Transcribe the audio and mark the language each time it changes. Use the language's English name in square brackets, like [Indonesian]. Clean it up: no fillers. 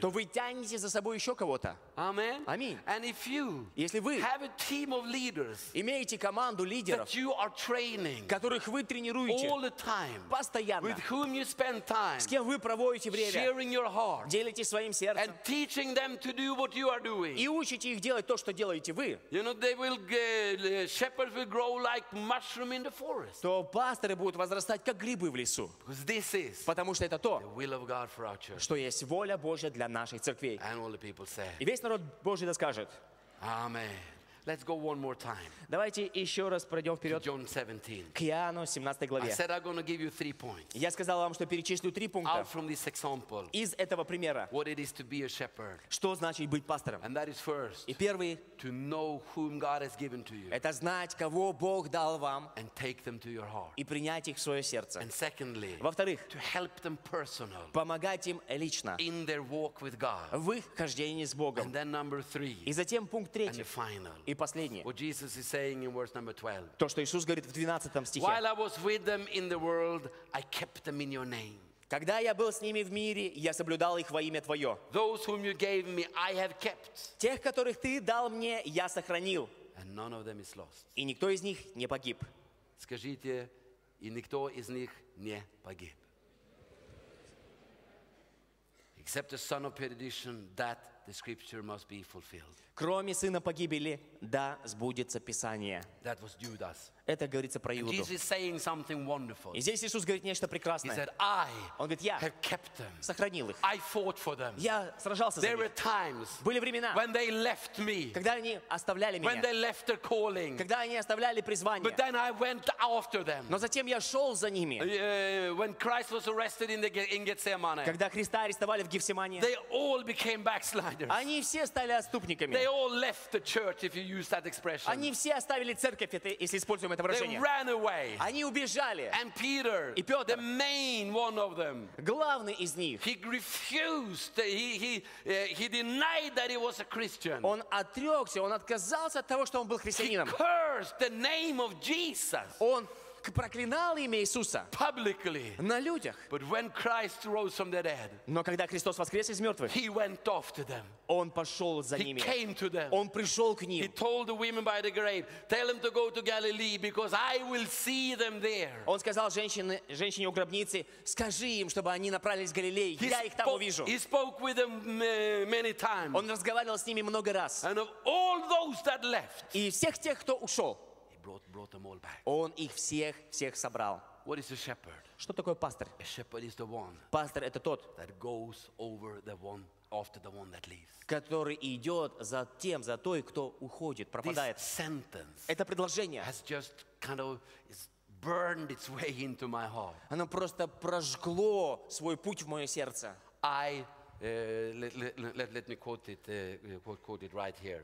[Russian] То вы тянете за собой еще кого-то. [English] Amen. [Russian] Аминь. [English] And if you [Russian] если вы [English] have a team of leaders, [Russian] имеете команду лидеров, [English] that you are training, [Russian] которых вы тренируете [English] all the time, [Russian] постоянно, [English] with whom you spend time, [Russian] с кем вы проводите время, [English] sharing your heart, [Russian] делитесь своим сердцем, [English] and teaching them to do what you are doing, [Russian] и учите их делать то, что делаете вы, [English] you know, they will shepherds will grow like mushroom in the forest. [Russian] То пасторы будут возрастать, как грибы в лесу. Потому что это то, что есть воля Божья для наших церквей. И весь народ Божий да скажет. Аминь. Давайте еще раз пройдем вперед к Иоанну 17 главе. Я сказал вам, что перечислю три пункта из этого примера, что значит быть пастором. И первый [English] to know whom God has given to you. [Russian] Это знать, кого Бог дал вам. [English] And take them to your heart. [Russian] И принять их в свое сердце. [English] And secondly, [Russian] во-вторых, [English] to help them personal. [Russian] Помогать им лично. [English] In their walk with God. [Russian] В их хождении с Богом. [English] And then number three. [Russian] И затем пункт третий. [English] And the final. [Russian] И последний. [English] What Jesus is saying in verse number 12. [Russian] То, что Иисус говорит в 12 стихе. [English] While I was with them in the world, I kept them in your name. [Russian] Когда я был с ними в мире, я соблюдал их во имя Твое. [English] Those whom you gave me, I have kept. [Russian] Тех, которых Ты дал мне, я сохранил. [English] And none of them is lost. [Russian] И никто из них не погиб. Скажите, и никто из них не погиб. [English] Except the son of perdition, that the scripture must be fulfilled. [Russian] Кроме сына погибели, да сбудется Писание. [English] That was Judas. [Russian] Это говорится про Иуду. [English] Jesus is saying something wonderful. [Russian] И здесь Иисус говорит нечто прекрасное. [English] He said, [Russian] Он говорит, я [English] have kept them. [Russian] Сохранил их. [English] I fought for them. [Russian] Я сражался [English] there [Russian] за них. [English] Were times, [Russian] были времена, [English] when they left me, [Russian] когда они оставляли меня, [English] when they left their calling, [Russian] когда они оставляли призвание. [English] But then I went after them. [Russian] Но затем я шел за ними. [English] When Christ was arrested in Gethsemane, [Russian] когда Христа арестовали в Гефсимане, [English] they all became backsliders. backsliders. [Russian] Они все стали отступниками. [English] They all left the church if you use that expression. [Russian] Они все оставили церковь, если используем это выражение. [English] They ran away. [Russian] Они убежали. [English] And Peter, [Russian] и Петр, [English] the main one of them, [Russian] главный из них, [English] he refused, he denied that he was a Christian. [Russian] Он отрекся, он отказался от того, что он был христианином. [English] He cursed the name of Jesus. [Russian] Он проклинал имя Иисуса [English] publicly, [Russian] на людях. [English] But when Christ rose from the dead, [Russian] но когда Христос воскрес из мертвых, [English] he went off to them. [Russian] Он пошел за ними. [English] He came to them. [Russian] Он пришел к ним. [English] He told the women by the grave, tell them to go to Galilee, because I will see them there. [Russian] Он сказал женщине у гробницы, скажи им, чтобы они направились в Галилею, я их там увижу. [English] He spoke with them many times. [Russian] Он разговаривал с ними много раз. [English] And of all those that left, [Russian] и всех тех, кто ушел, [English] brought them all back. [Russian] Он их всех собрал. [English] What is a shepherd? [Russian] Что такое пастор? [English] A shepherd is the one. [Russian] Пастор это тот, [English] that goes over the one after the one that leaves. [Russian] Который идет за тем, за той, кто уходит, пропадает. [English] This sentence. [Russian] Это предложение. [English] Has just kind of burned its way into my heart. [Russian] Оно просто прожгло свой путь в мое сердце. [English] I let me quote it right here.